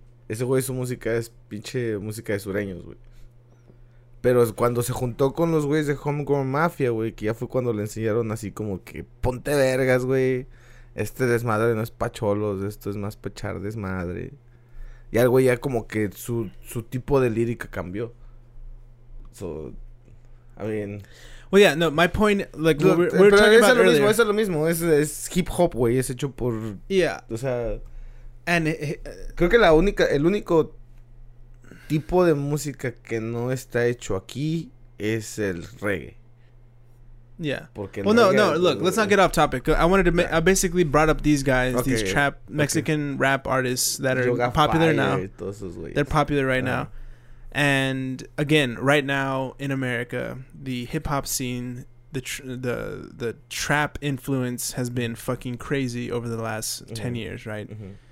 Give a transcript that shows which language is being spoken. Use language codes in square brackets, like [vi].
[es] Ese güey su música es pinche música de sureños, güey. Pero cuando se juntó con los güeyes de Homegrown Mafia, güey, que ya fue cuando le enseñaron así como que ponte vergas, güey. Este desmadre no es pa cholos, esto es más pa echar desmadre. Y el güey ya como que su tipo de lírica cambió. [en] So, I mean. Well, yeah, no, my point, like, no, we're talking [es] es [en] about [es] lo [en] earlier. [es] Mismo, es lo mismo, es hip-hop, güey, es hecho por... [en] Yeah. [es] O sea... [en] And... [es] creo que el único tipo de música que no está hecho aquí es el reggae. [en] Yeah. [es] Porque [en] well, reggae, no, look, let's not get off topic. I basically brought up these guys, okay, these trap Mexican rap artists that are popular now. They're popular right now. And again, right now in America, the hip hop scene, the trap influence has been fucking crazy over the last 10 years, right? Mm-hmm.